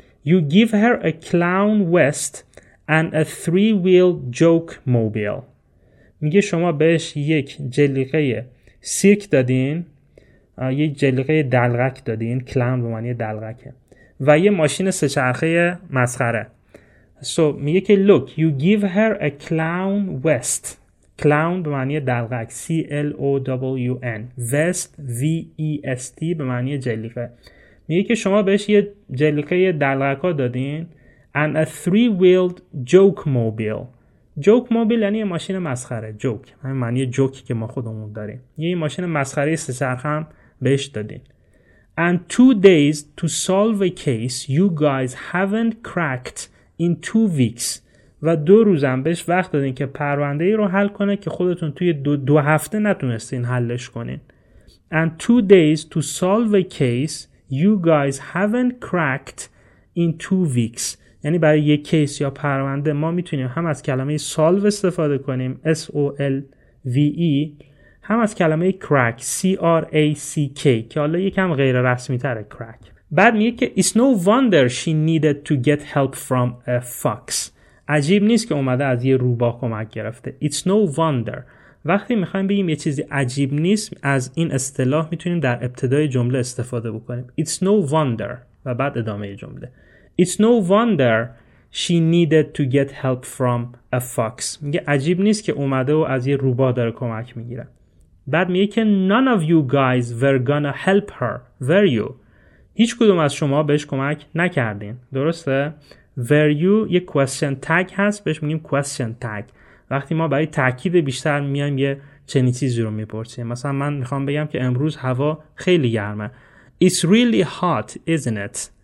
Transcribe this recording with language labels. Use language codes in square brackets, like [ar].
[en] You give her a clown vest and a 3-wheel joke mobile. [fa] میگه شما بهش یک جلیقه سیرک دادین، یک جلیقه دلغک دادین، کلاون به معنی دلغکه، و یه ماشین سه چرخه مسخره. [en] So [fa] میگه که [en] look, you give her a clown vest. [fa] کلاون به معنی دلغک، C-L-O-W-N. Vest, V-E-S-T به معنی جلیقه. میگه که شما بهش یه جلیقه دلغک‌ها دادین [en] and a 3-wheeled joke mobile. [fa] joke mobile یعنی ماشین مسخره. joke همین معنی جوکی که ما خودمون داریم. یه ماشین مسخره سه چرخه هم بهش دادین. [en] and 2 days to solve a case you guys haven't cracked in 2 weeks. [fa] و 2 روزم بهش وقت دادین که پرونده ای رو حل کنه که خودتون توی دو هفته نتونستین حلش کنین. [en] and 2 days to solve a case you guys haven't cracked in 2 weeks. [fa] یعنی برای یک کیس یا پرونده ما میتونیم هم از کلمه solve استفاده کنیم، S-O-L-V-E، هم از کلمه crack، C-R-A-C-K، که حالا یکم غیر رسمی تره crack. بعد میگه که [en] it's no wonder she needed to get help from a fox. [fa] عجیب نیست که اومده از یه روباه کمک گرفته. [en] it's no wonder. [fa] وقتی میخوایم بگیم یه چیزی عجیب نیست، از این اصطلاح میتونیم در ابتدای جمله استفاده بکنیم. [en] It's no wonder. [fa] و بعد ادامه جمله. [en] It's no wonder she needed to get help from a fox. [fa] میگه عجیب نیست که اومده و از یه روباه داره کمک میگیره. بعد میگه که [en] none of you guys were gonna help her, were you? [fa] هیچ کدوم از شما بهش کمک نکردین. درسته؟ were you یه question tag هست، بهش میگیم question tag. وقتی ما برای تاکید بیشتر میایم یه چنین چیزی رو میپرسیم، مثلا من میخوام بگم که امروز هوا خیلی گرمه. [en] It's really hot, isn't it?